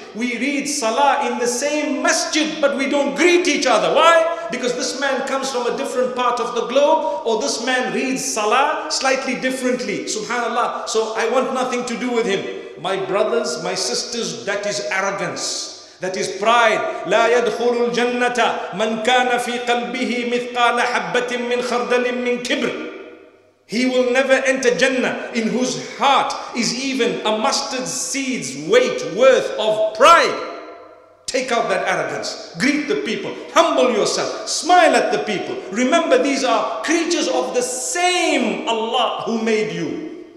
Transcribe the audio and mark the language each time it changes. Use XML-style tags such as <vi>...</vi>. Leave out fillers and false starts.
<en>We read salah in the same masjid, but we don't greet each other. Why? Because this man comes from a different part of the globe, or this man reads salah slightly differently. SubhanAllah, so I want nothing to do with him. My brothers, my sisters, that is arrogance. That is pride.</en> <ar>لا يدخل الجنة من كان في قلبه مثقال حبة من خردل من كبر.</ar> <en>He will never enter Jannah in whose heart is even a mustard seed's weight worth of pride. Take out that arrogance. Greet the people. Humble yourself. Smile at the people. Remember, these are creatures of the same Allah who made you.</en>